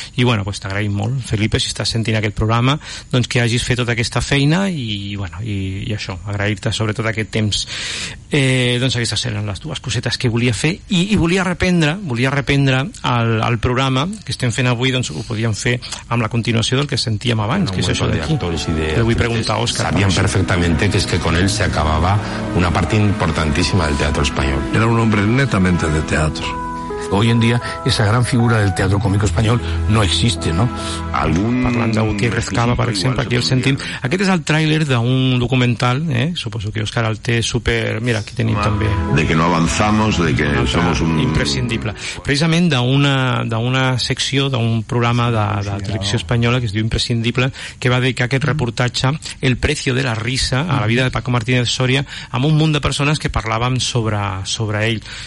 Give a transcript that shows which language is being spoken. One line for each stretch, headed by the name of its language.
Catalan: I bueno, pues t'agraïm molt, Felipe, si estàs sentint aquest programa, doncs que hagis fet tota aquesta feina i això, agrair-te sobretot aquest temps. Doncs aquestes eren les dues cosetes que volia fer i volia reprendre el programa que estem fent avui, doncs ho podíem fer amb la continuació del que sentíem abans, que és això d'aquí. Te vull preguntar, Òscar.
Spanish: Sabíem perfectamente que es que con él se acababa una parte importantísima del teatro español. Era un hombre netamente de teatro. Hoy en día esa gran figura del teatro cómico español no existe, ¿no?
Catalan: Parlant de Gutiérrez Cava, per exemple, aquí el sentim. Aquest és el tràiler d'un documental, suposo que Òscar el té super... Mira, aquí tenim també...
Spanish: De que no avanzamos, de que somos un... Imprescindible.
Catalan: Precisament d'una secció, d'un programa de televisió espanyola que es diu Imprescindible, que va dedicar aquest reportatge, El precio de la risa, a la vida de Paco Martínez Soria, amb un munt de persones que parlàvem sobre ell.